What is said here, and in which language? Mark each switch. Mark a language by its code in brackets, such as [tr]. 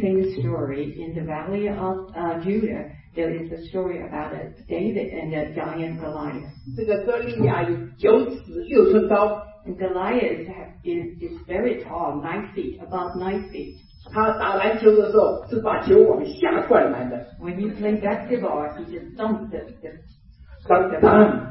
[en] We all know the same story in the valley of Judah. There is a story about a David and a giant Goliath. [zh] 这个哥利亚有9尺6寸高。 [en] And Goliath is very tall, 9 feet, above 9 feet. [zh] 他打篮球的时候是把球往下灌篮的。 [en] When he played basketball, he just dunked the ball.